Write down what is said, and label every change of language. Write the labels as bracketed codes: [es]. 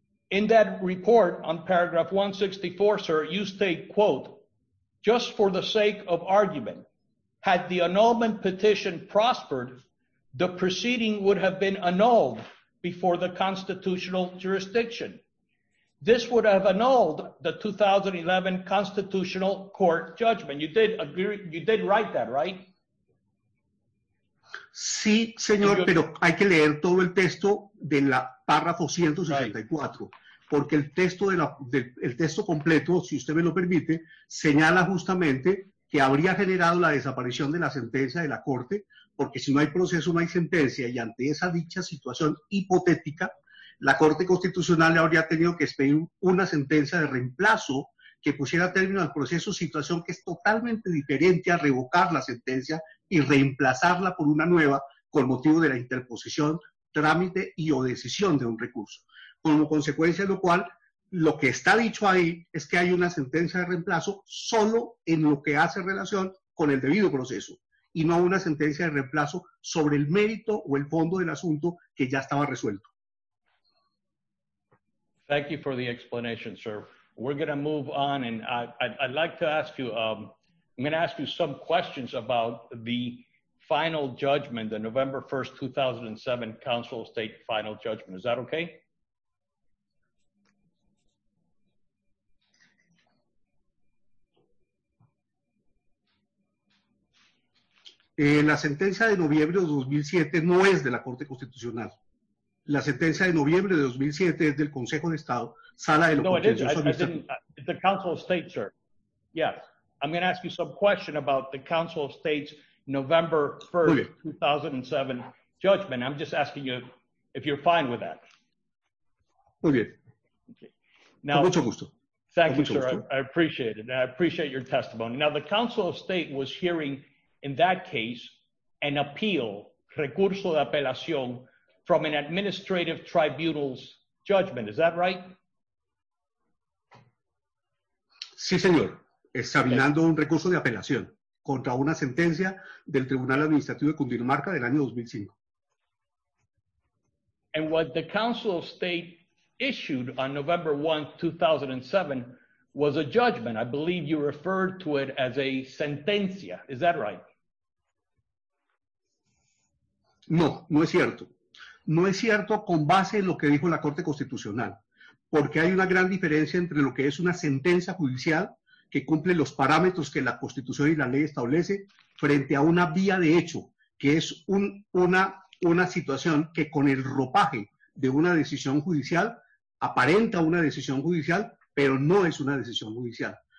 [en] In that report on paragraph 164, sir, you state, quote, just for the sake of argument, had the annulment petition prospered, the proceeding would have been annulled before the constitutional jurisdiction. This would have annulled the 2011 Constitutional Court judgment. You did agree, you did write that, right? [es] Sí, señor, pero hay que leer todo el texto de la párrafo 164, right. porque el texto de la de, el texto completo, si usted me lo permite, señala justamente que habría generado la desaparición de la sentencia de la Corte, porque si no hay proceso, no hay sentencia, y ante esa dicha situación hipotética, la Corte Constitucional habría tenido que expedir una sentencia de reemplazo que pusiera término al proceso, situación que es totalmente diferente a revocar la sentencia y reemplazarla por una nueva con motivo de la interposición, trámite y o decisión de un recurso. Como consecuencia de lo cual, lo que está dicho ahí es que hay una sentencia de reemplazo solo en lo que hace relación con el debido proceso y no una sentencia de reemplazo sobre el mérito o el fondo del asunto que ya estaba resuelto. [en] Thank you for the explanation, sir. We're going to move on, and I'd like to ask you, I'm going to ask you some questions about the final judgment, the November 1st, 2007 Council of State final judgment. Is that okay? [es] La sentencia de noviembre de 2007 no es de la Corte Constitucional. La sentencia de noviembre de 2007 es del Consejo de Estado, sala de lo contencioso administrativo. [en] The Council of State, sir. Yes. I'm going to ask you some question about the Council of State's November 1st, 2007 judgment. I'm just asking you if you're fine with that. [es] Muy bien. Okay. Now, con mucho gusto. [en] Thank you, sir. I appreciate it. I appreciate your testimony. Now, the Council of State was hearing, in that case, an appeal, recurso de apelación, from an administrative tribunal's judgment. Is that right? [es] Sí, señor. Examinando okay. un recurso de apelación contra una sentencia del Tribunal Administrativo de Cundinamarca del año 2005. [en] And what the Council of State issued on November 1, 2007 was a judgment. I believe you referred to it as a sentencia. Is that right? [es] No, no es cierto. No es cierto con base en lo que dijo la Corte Constitucional, porque hay una gran diferencia entre lo que es una sentencia judicial que cumple los parámetros que la Constitución y la ley establece frente a una vía de hecho, que es una situación que con el ropaje de una decisión judicial aparenta una decisión judicial, pero no es una decisión judicial.